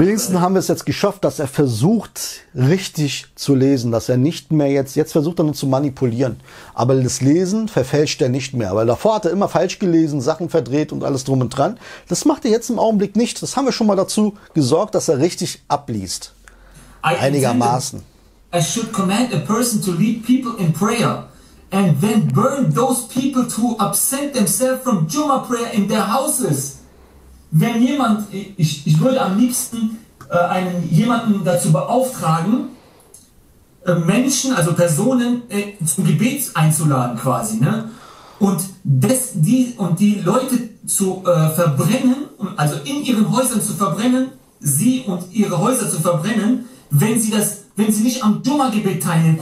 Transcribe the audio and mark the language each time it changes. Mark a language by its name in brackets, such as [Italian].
[German] Wenigstens haben wir es jetzt geschafft, dass er versucht, richtig zu lesen, dass er nicht mehr jetzt versucht er nur zu manipulieren. Aber das Lesen verfälscht er nicht mehr, weil davor hat er immer falsch gelesen, Sachen verdreht und alles drum und dran. Das macht er jetzt im Augenblick nicht. Das haben wir schon mal dazu gesorgt, dass er richtig abliest. Einigermaßen. [English] I should command a person to lead people in prayer and then burn those people to absent themselves from Jummah prayer in their houses. [German] Wenn jemand, ich würde am liebsten jemanden dazu beauftragen, Menschen, also Personen zum Gebet einzuladen quasi, ne? Und die Leute zu verbrennen, also in ihren Häusern zu verbrennen, sie und ihre Häuser zu verbrennen, wenn sie nicht am Jummah-Gebet teilnehmen.